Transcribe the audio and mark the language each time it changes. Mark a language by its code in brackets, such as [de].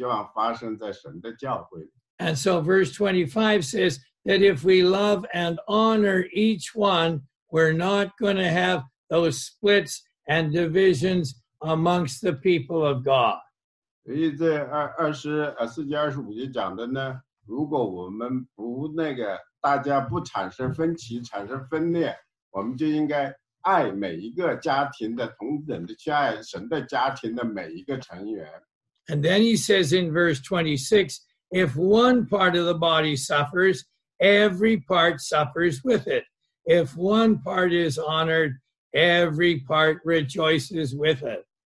[zh] 这些呢，也可能发生在你自己的家里。神说呢，他不希望这些发生在你的家里，更不希望发生在神的教会里。 [en] And so verse 25 says that if we love and honor each one, we're not going to have those splits and divisions amongst the people of God. [zh] 24节讲的呢，如果我们不那个大家不产生分歧、产生分裂，我们就应该爱每一个家庭的同等的去爱神的家庭的每一个成员。 [en] And then he says in verse 26, if one part of the body suffers, every part suffers with it. If one part is honored, every part rejoices with it.